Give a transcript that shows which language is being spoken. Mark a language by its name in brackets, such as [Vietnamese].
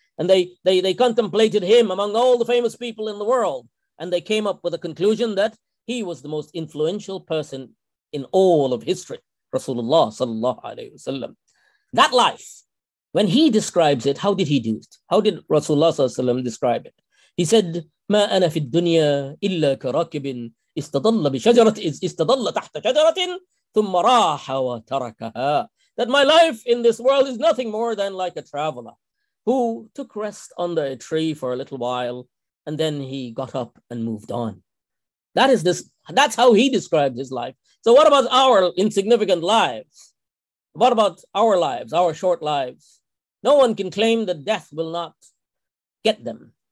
[English] And they contemplated him among all the famous people in the world. And they came up with a conclusion that he was the most influential person in all of history, Rasulullah sallallahu alayhi wa sallam. That life, when he describes it, how did he do it? How did Rasulullah sallallahu alayhi wa sallam describe it? He said, [Arabic] ما أنا في الدنيا إلا كراكب استضل بشجرة استضل تحت شجرة ثم راح وتركها. [English] That my life in this world is nothing more than like a traveler who took rest under a tree for a little while and then he got up and moved on. That's how he described his life. So what about our insignificant lives? What about our lives, our short lives? No one can claim that death will not get them.